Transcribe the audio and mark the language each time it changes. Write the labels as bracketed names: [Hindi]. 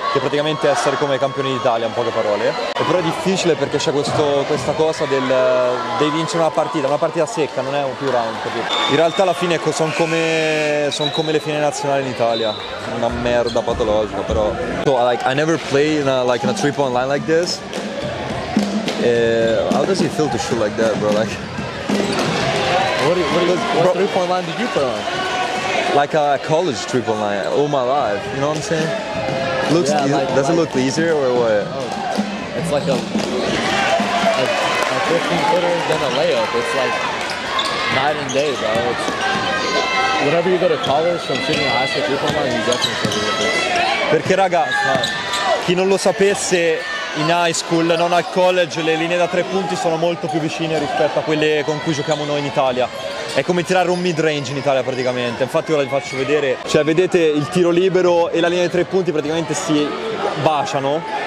[Italian] Che praticamente è essere come campioni d'Italia, in poche parole. E però è difficile perché c'è questa cosa del devi vincere una partita secca, non è un più round, capito? In realtà alla fine sono come le fine nazionali in Italia, una merda patologica, però. [English] So like I never play in a three point line like this. How does it feel to shoot like that, bro? Like what bro, three point line did you put on? Like a college three point line all my life, you know what I'm saying? Looks yeah, like, does like, it look easier or what? Oh, it's like a 15 footer than a layup. It's like night and day, bro. It's, whenever you go to college from shooting a high school three point line, you definitely should be with this. [Italian] Perché raga, chi non lo sapesse, in high school, non al college, le linee da tre punti sono molto più vicine rispetto a quelle con cui giochiamo noi in Italia. È come tirare un mid-range in Italia praticamente. Infatti ora vi faccio vedere. Cioè, vedete il tiro libero e la linea dei tre punti praticamente si baciano.